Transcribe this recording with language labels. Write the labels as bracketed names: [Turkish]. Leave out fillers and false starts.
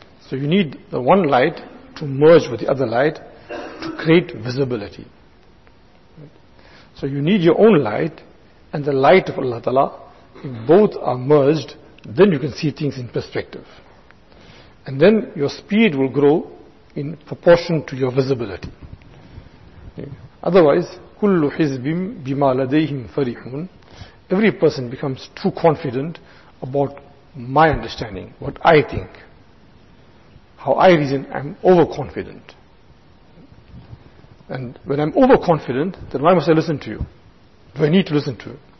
[English] So you need the one light to merge with the other light to create visibility. So you need your own light and the light of Allah Ta'ala. If both are merged, then you can see things in perspective. And then your speed will grow in proportion to your visibility. Otherwise, [Arabic] كُلُّ حِزْبٍ بِمَا لَدَيْهِمْ فَرِحُونَ. [English] Every person becomes too confident about my understanding, what I think, how I reason. I'm overconfident. And when I'm overconfident, then why must I listen to you? Do I need to listen to you?